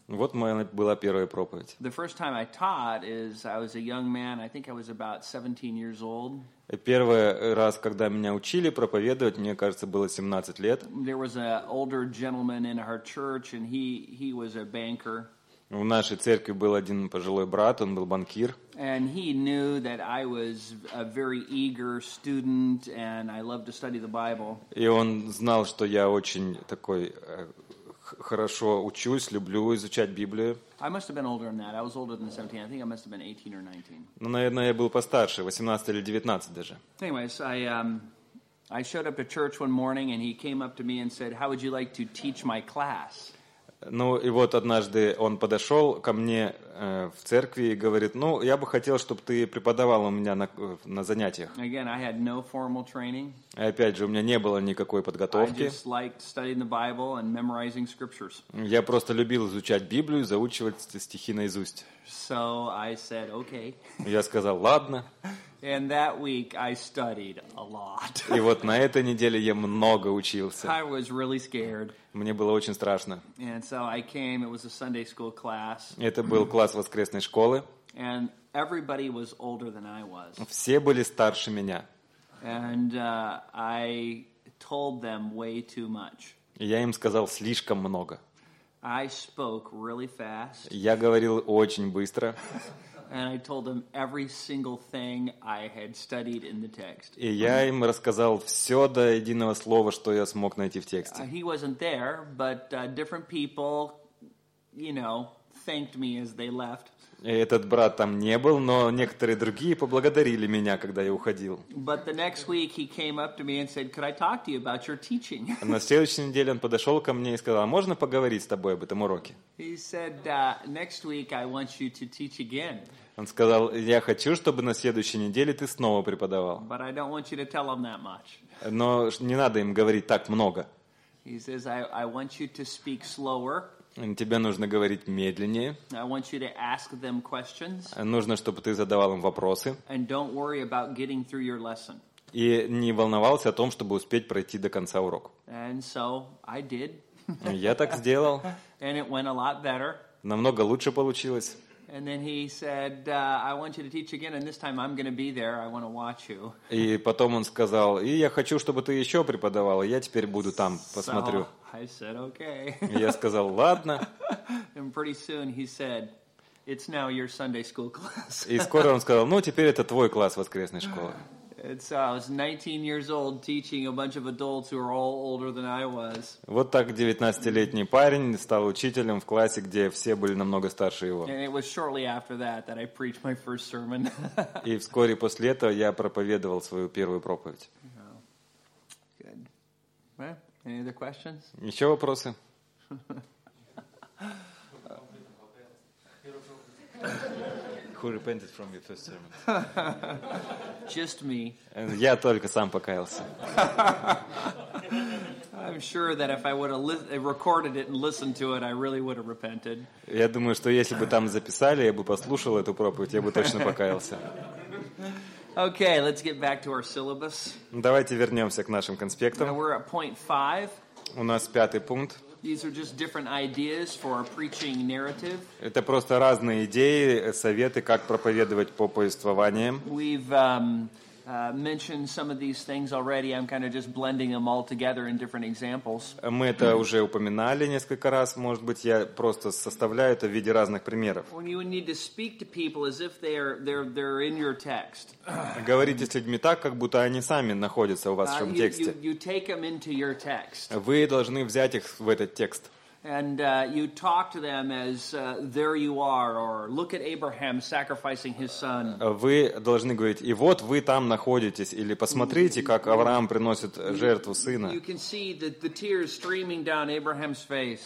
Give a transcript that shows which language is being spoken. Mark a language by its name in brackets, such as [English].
[Russian] Вот моя была первая проповедь. [English] The first time I taught is I was a young man. I think I was about 17 years old. [Russian] Первый раз, когда меня учили проповедовать, мне кажется, было 17 лет. [English] There was an older gentleman in our church, and he was a banker. [Russian] В нашей церкви был один пожилой брат, он был банкир. [English] And he knew that I was a very eager student, and I loved to study the Bible. [Russian] И он знал, что я очень такой хорошо учусь, люблю изучать Библию. [English] I must have been older than that. I was older than 17. I think I must have been 18 or 19. [Russian] Ну, наверное, я был постарше, 18 или 19 даже. [English] Anyways, I showed up to church one morning, and he came up to me and said, "How would you like to teach my class?" [Russian] Ну, и вот однажды он подошел ко мне в церкви и говорит, ну, я бы хотел, чтобы ты преподавал у меня на занятиях. [English] Again, I had no formal training. [Russian] И опять же, у меня не было никакой подготовки. [English] I just liked studying the Bible and memorizing scriptures. [Russian] Я просто любил изучать Библию, заучивать стихи наизусть. [English] So I said, okay. [Russian] Я сказал, ладно. [English] And that week I studied a lot. [Russian] И вот на этой неделе я много учился. [English] I was really scared. [Russian] Мне было очень страшно. [English] And so I came, it was a Sunday school class. [Russian] Это был класс воскресной школы. [English] And everybody was older than I was. [Russian] Все были старше меня. [English] And I told them way too much. [Russian] Я им сказал слишком много. [English] I spoke really fast. [Russian] Я говорил очень быстро. [English] And I told them every single thing I had studied in the text. [Russian] И я им рассказал все до единого слова, что я смог найти в тексте. [English] He wasn't there, but different people, you know, thanked me as they left. [Russian] И этот брат там не был, но некоторые другие поблагодарили меня, когда я уходил. [English] But the next week he came up to me and said, "Could I talk to you about your teaching?" [Russian] На следующей неделе он подошел ко мне и сказал, "Можно поговорить с тобой об этом уроке?" [English] He said, "Next week I want you to teach again." [Russian] Он сказал, "Я хочу, чтобы на следующей неделе ты снова преподавал." [English] But I don't want you to tell them that much. [Russian] Но не надо им говорить так много. [English] He says, "I want you to speak slower." [Russian] Тебе нужно говорить медленнее. [English] I want you to ask them questions. [Russian] Нужно, чтобы ты задавал им вопросы. [English] And don't worry about getting through your lesson. [Russian] И не волновался о том, чтобы успеть пройти до конца урок. [English] And so I did. [Russian] Я так сделал. [English] And it went a lot better. [Russian] Намного лучше получилось. [English] And then he said, "I want you to teach again, and this time I'm going to be there. I want to watch you." [Russian] И потом он сказал, "И я хочу, чтобы ты еще преподавал. Я теперь буду там, посмотрю." [English] So I said, "Okay." [Russian] Я сказал, "Ладно." [English] And pretty soon he said, "It's now your Sunday school class." [Russian] И скоро он сказал, "Ну теперь это твой класс воскресной школы." [English] And so I was 19 years old teaching a bunch of adults who are all older than I was. [Russian] Вот так 19-летний парень стал учителем в классе, где все были намного старше его. [English] And it was shortly after that that I preached my first sermon. [Russian] И вскоре после этого я проповедовал свою первую проповедь. [English] Good. Well, any other questions? [Russian] Еще вопросы? [English] Who repented from your first sermon? Just me. [Russian] Я только сам покаялся. [English] I'm sure that if I would have recorded it and listened to it, I really would have repented. [Russian] Я думаю, что если бы там записали, я бы послушал эту проповедь, я бы точно покаялся. [English] Okay, let's get back to our syllabus. [Russian] Давайте вернемся к нашим конспектам. [English] We're at point five. [Russian] У нас пятый пункт. [English] These are just different ideas for our preaching narrative. [Russian] Это просто разные идеи, советы, как проповедовать по повествованиям. [English] We've mentioned some of these things already. I'm kind of just blending them all together in different examples. [Russian] Мы это уже упоминали несколько раз. Может быть, я просто составляю это в виде разных примеров. [English] When you need to speak to people as if they're in your text. [Russian] Говорите с людьми так, как будто они сами находятся у вас в вашем тексте. [English] You take them into your text. [Russian] Вы должны взять их в этот текст. [English] And you talk to them as there you are, or look at Abraham sacrificing his son. [Russian] Вы должны говорить, и вот вы там находитесь, или посмотрите, как Авраам приносит жертву сына. [English] You can see the tears streaming down Abraham's face.